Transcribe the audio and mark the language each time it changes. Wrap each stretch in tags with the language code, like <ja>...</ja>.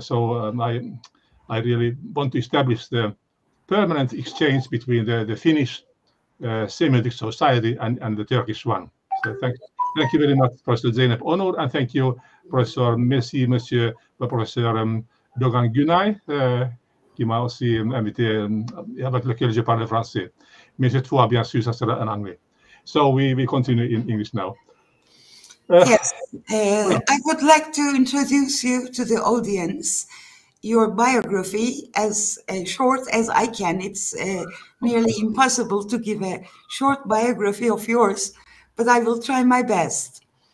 <en>So I really want to establish the permanent exchange between the Finnish Semiotic Society and the Turkish one. So thank you very much, Professor Zeynep Onur, and thank you, Professor Messi, Monsieur Professor Dogan Günay.</en> <fr>Qui m'a aussi invité avec lequel je parle français. Mais cette fois, bien sûr, ça sera en anglais.</fr> <en>So we continue in English now. I would like to introduce you to the audience. Your biography, as short as I can, it's nearly impossible to give a short biography of yours, but I will try my best.</en>